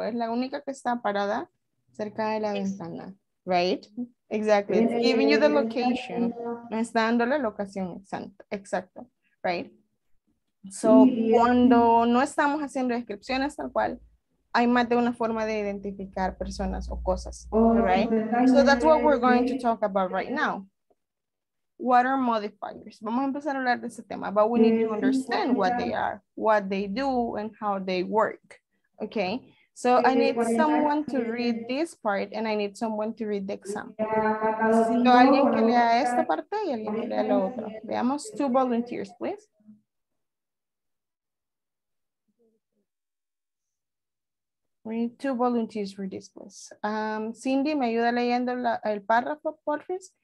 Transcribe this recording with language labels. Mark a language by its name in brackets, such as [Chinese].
[Spanish] Es la única que está parada cerca de la ventana. [English] Right? Exactly. It's giving you the location. [Spanish] Me está dando la locación. Exacto. [English] Right? [Spanish] So, cuando no estamos haciendo descripciones tal cual, hay más de una forma de identificar personas o cosas. [English] Right? So, that's what we're going to talk about right now. What are modifiers? [Spanish] Vamos a empezar a hablar de ese tema, [English] but we need to understand what they are, what they do, and how they work. Okay, so I need someone to read this part, and I need someone to read the example. [Spanish] Necesito a alguien que lea esta parte y alguien que lea la otra. Veamos [English] two volunteers, please. We need two volunteers for this, please. Cindy, [Spanish] ¿me ayuda leyendo el párrafo, por favor?